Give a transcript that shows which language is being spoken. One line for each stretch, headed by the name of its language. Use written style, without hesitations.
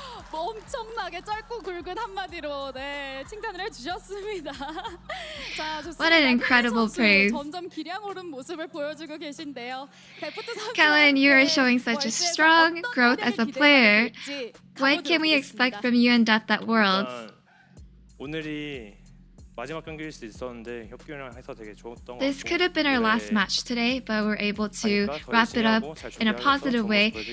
Korean: 엄청나게 짧고 굵은 한마디로 네 칭찬을 해주셨습니다. 자, 좋습니다.
English: What an incredible praise.
Korean: 점점 기량 오른 모습을 보여주고 계신데요.
English: 캘린, you are showing such a strong growth as a player. When can we expect from you and Death at Worlds?
Korean: 오늘이 마지막 경기일 수 있었는데 협규랑 해서 되게 좋았던 것 같고
English: This could have been our last match today, but we're able to wrap it up in a positive way.